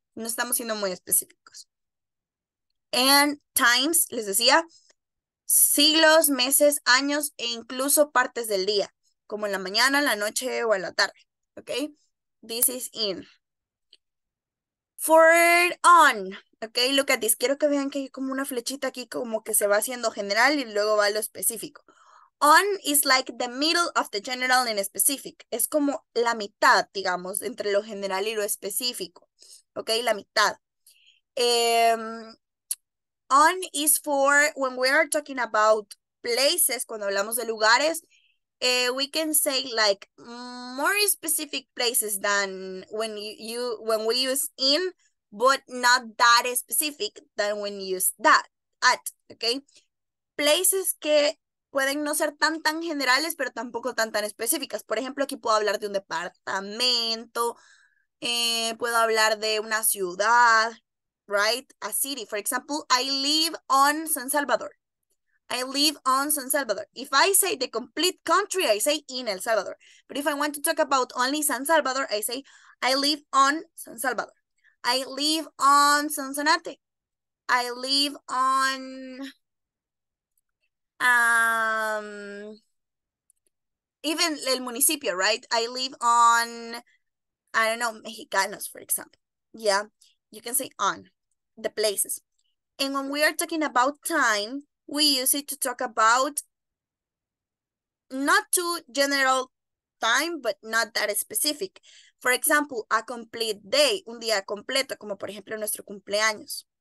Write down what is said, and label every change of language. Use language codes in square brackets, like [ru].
[es] No estamos siendo muy específicos. And times, les decía, siglos, meses, años e incluso partes del día, como en la mañana, en la noche o en la tarde, okay? This is in. [en] Forward on, okay? Look at this. [es] Quiero que vean que hay como una flechita aquí como que se va haciendo general y luego va a lo específico. [en] On is like the middle of the general and specific. [es] Es como la mitad, digamos, entre lo general y lo específico, okay? La mitad. [en] On is for when we are talking about places, cuando hablamos de lugares, we can say like more specific places than when we use in, but not that specific than when you use that, at, okay? [es] Places que pueden no ser tan, tan generales, pero tampoco tan, tan específicas. Por ejemplo, aquí puedo hablar de un departamento, puedo hablar de una ciudad. [en] Right? A city. For example, I live on San Salvador. I live on San Salvador. If I say the complete country, I say in El Salvador. But if I want to talk about only San Salvador, I say I live on San Salvador. I live on Sonsonate. I live on even el municipio, right? I live on, I don't know, Mexicanos, for example. Yeah, you can say on the places. And when we are talking about time, we use it to talk about not too general time, but not that specific. [es] For example, a complete day, un día completo, como por ejemplo nuestro cumpleaños.